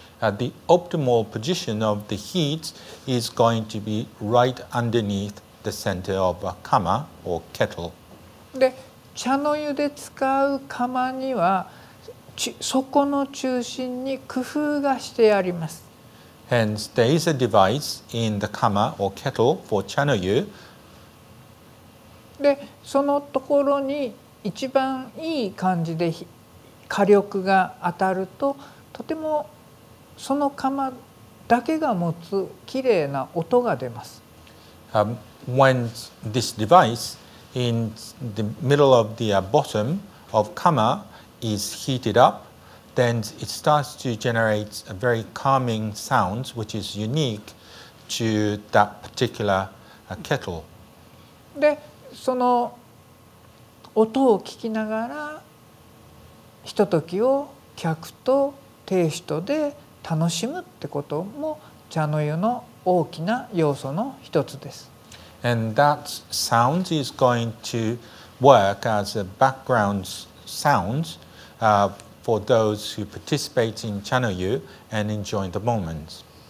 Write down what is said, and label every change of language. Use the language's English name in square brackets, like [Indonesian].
[English] The optimal position of the heat is going to be right underneath the center of a kama or kettle. [Japanese] で、茶の湯で使う釜にはそこの中心に工夫がしてあります。 [English] Hence, there is a device in the kama or kettle for cha no yu. [Japanese] で、そのところに一番いい感じで火力が当たると、とてもその釜だけが持つきれいな音が出ます。 [English] When this device in the middle of the bottom of kama. Is heated up, then it starts to generate a very calming sound, which is unique to that particular kettle. [Japanese] で、その音を聞きながら、ひとときを客と亭主とで楽しむってことも茶の湯の大きな要素の一つです。 [English] And that sound is going to work as a background sound. For those who participate in cha no yu and enjoy the moments.